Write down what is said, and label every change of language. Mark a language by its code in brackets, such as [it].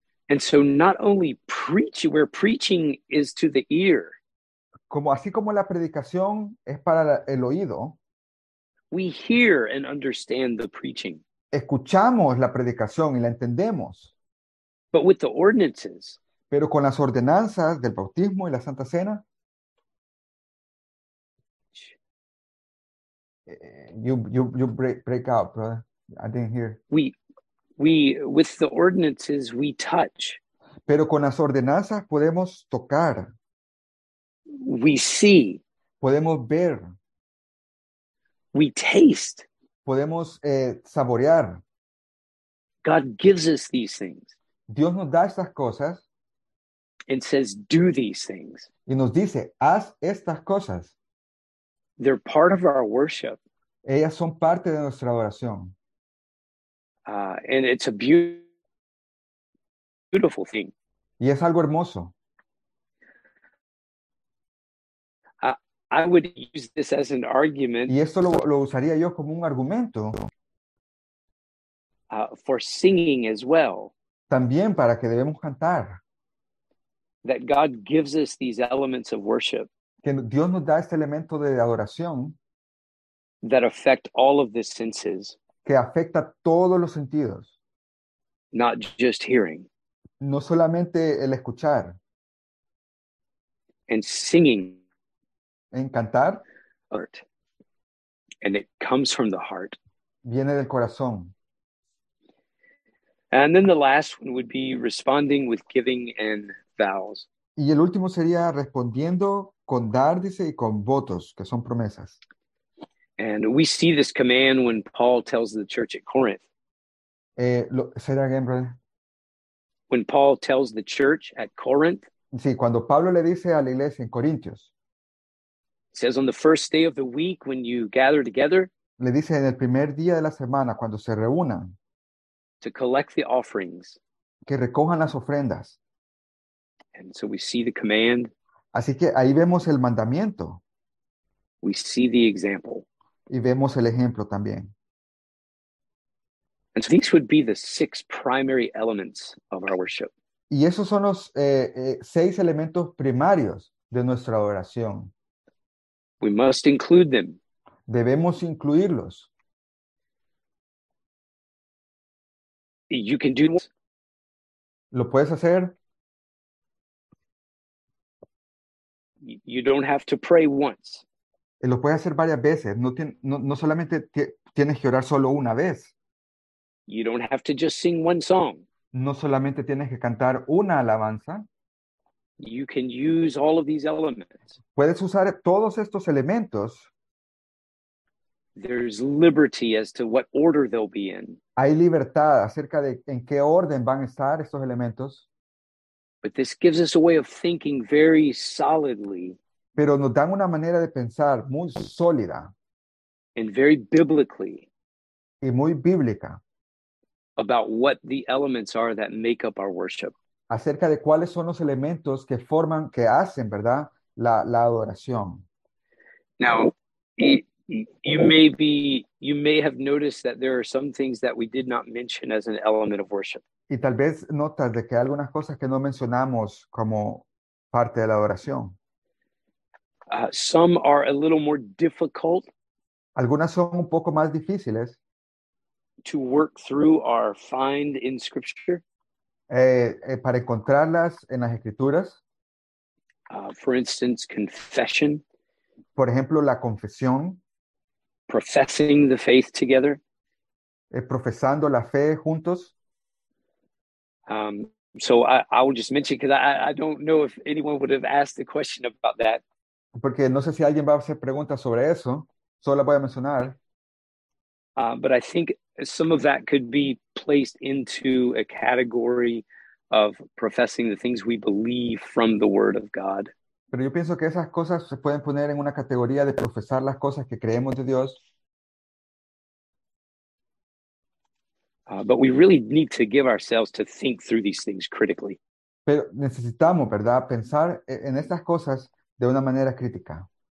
[en] And so not only where preaching is to the ear. [es] Como así como la predicación es para el oído. [en] We hear and understand the preaching. [es] Escuchamos la predicación y la entendemos. [en] But with the ordinances. [es] Pero con las ordenanzas del bautismo y la Santa Cena. [en] You break out, brother. I didn't hear. We with the ordinances we touch. [es] Pero con las ordenanzas podemos tocar. [en] We see. [es] Podemos ver. [en] We taste. [es] Podemos saborear. [en] God gives us these things. [es] Dios nos da estas cosas. [en] And says, do these things. [es] Y nos dice, haz estas cosas. [en] They're part of our worship. [es] Ellas son parte de nuestra adoración. [en] And it's a beautiful thing. [es] Y es algo hermoso. [en] I would use this as an argument. [es] Y esto lo usaría yo como un argumento. [en] For singing as well. [es] También para que debemos cantar. [en] That God gives us these elements of worship. [es] Que Dios nos da este elemento de adoración. [en] That affect all of the senses. [es] Que afecta todos los sentidos. [en] Not just hearing. [es] No solamente el escuchar. [en] And singing. [es] En cantar. [en] Art. And it comes from the heart. [es] Viene del corazón. [en] And then the last one would be responding with giving and vows. [es] Y el último sería respondiendo con dar, dice, y con votos, que son promesas. [en] And we see this command when Paul tells the church at Corinth. Say that again, brother. When Paul tells the church at Corinth. [es] Sí, cuando Pablo le dice a la iglesia en Corintios. [en] It says on the first day of the week when you gather together. [es] Le dice en el primer día de la semana cuando se reúnan. [en] To collect the offerings. [es] Que recojan las ofrendas. [en] And so we see the command. [es] Así que ahí vemos el mandamiento. [en] We see the example. [es] Y vemos el ejemplo también. [en] And so these would be the six primary elements of our worship. [es] Y esos son los seis elementos primarios de nuestra adoración. [en] We must include them. [es] Debemos incluirlos. [en] You can do this. [es] ¿Lo puedes hacer? [en] You don't have to pray once. [es] Y lo puedes hacer varias veces. No solamente tienes que orar solo una vez. [en] You don't have to just sing one song. [es] No solamente tienes que cantar una alabanza. [en] You can use all of these elements. [es] Puedes usar todos estos elementos. [en] There's liberty as to what order they'll be in. [es] Hay libertad acerca de en qué orden van a estar estos elementos. [en] But this gives us a way of thinking very solidly. [es] Pero nos dan una manera de pensar muy sólida. [en] And very biblically. [es] Y muy bíblica. [en] About what the elements are that make up our worship. [es] Acerca de cuáles son los elementos que forman, que hacen, ¿verdad? La adoración. [en] Now, you may have noticed that there are some things that we did not mention as an element of worship. [es] Y tal vez notas de que hay algunas cosas que no mencionamos como parte de la adoración. [en] Some are a little more difficult. [es] Algunas son un poco más difíciles. [en] To work through or find in scripture. [es] Para encontrarlas en las escrituras. [en] For instance, confession. [es] Por ejemplo, la confesión. [en] Professing the faith together. [es] Profesando la fe juntos. [en] So I will just mention, because I don't know if anyone would have asked a question about that. [es] Porque no sé si alguien va a hacer preguntas sobre eso. Solo la voy a mencionar. [en] But I think some of that could be placed into a category of professing the things we believe from the Word of God. [es] Pero yo pienso que esas cosas se pueden poner en una categoría de profesar las cosas que creemos de Dios. [en] But we really need to give ourselves to think through these things critically. [es] Pero necesitamos, ¿verdad?, pensar en estas cosas de una manera crítica.